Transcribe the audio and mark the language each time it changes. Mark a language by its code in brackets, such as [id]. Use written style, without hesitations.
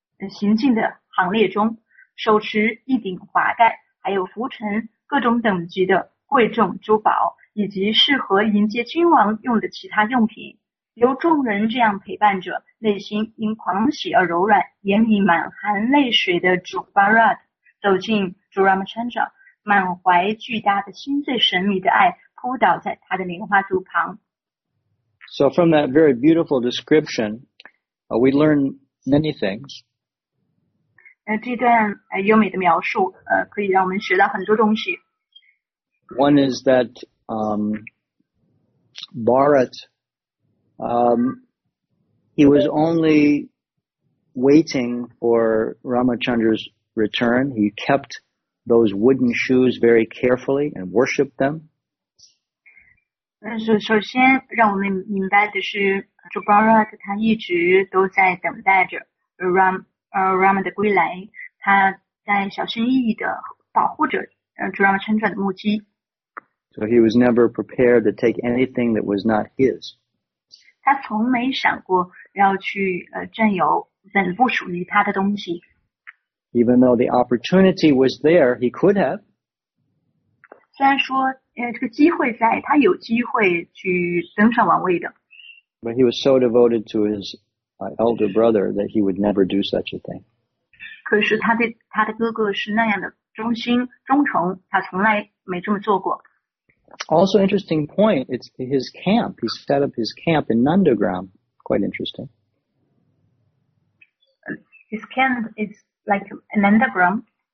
[zh] 行进的行列中，手持一顶华盖，还有拂尘、各种等级的贵重珠宝以及适合迎接君王用的其他用品，由众人这样陪伴着，内心因狂喜而柔软，眼里满含泪水的主 Bharat走进主 Ramachandra， 满怀巨大的心碎神迷的爱扑倒在他的莲花柱旁。 [en] So from that very beautiful description, we learn many things. [zh] 这段优美的描述可以让我们学到很多东西。 [en] One is that Bharat, he was only waiting for Ramachandra'sreturn. He kept those wooden shoes very carefully and worshipped them. [zh] 首先让我们明白的是，主 Bharat 他一直都在等待着 Rama 的归来，他在小心翼翼地保护着主 Rama 乘着的木屐。 [en] So he was never prepared to take anything that was not his. [zh] 他从没想过要去占有本不属于他的东西。 [en] Even though the opportunity was there, he could have. [zh] 虽然说这个机会在，他有机会去登上王位的。 [en] But he was so devoted to his elder brother that he would never do such a thing. [zh] 可是他对他的哥哥是那样的忠心忠诚，他从来没这么做过。 [en] Also interesting point, it's his camp. He set up his camp in Nandagram. Quite interesting. His camp is like an Nandagram.